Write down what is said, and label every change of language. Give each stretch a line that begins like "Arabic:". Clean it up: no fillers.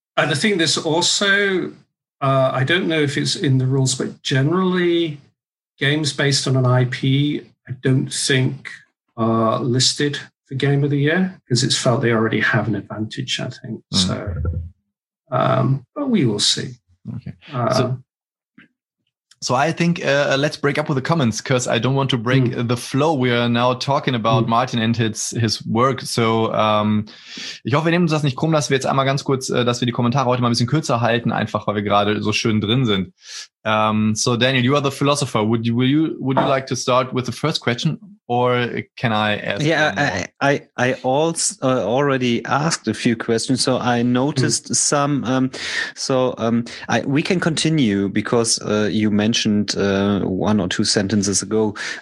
English: And the thing that's also, I don't know if it's in the rules, but generally games based on an IP, I don't think are listed for Game of the Year because it's felt they already have an advantage, I think. Mm. So, but we will see. Okay. So I think let's break up with the comments because I don't want to break the flow. We are now talking about Martin and his work.
German: So ich hoffe, wir nehmen uns das nicht krumm, dass wir jetzt einmal ganz kurz, dass wir die Kommentare heute mal ein bisschen kürzer halten, einfach weil wir gerade so schön drin sind.
English: So Daniel, you are the philosopher. Would you like to start with the first question, or can I ask? Yeah, I already asked a few questions, so I noticed some. We can continue because you mentioned one or two sentences ago.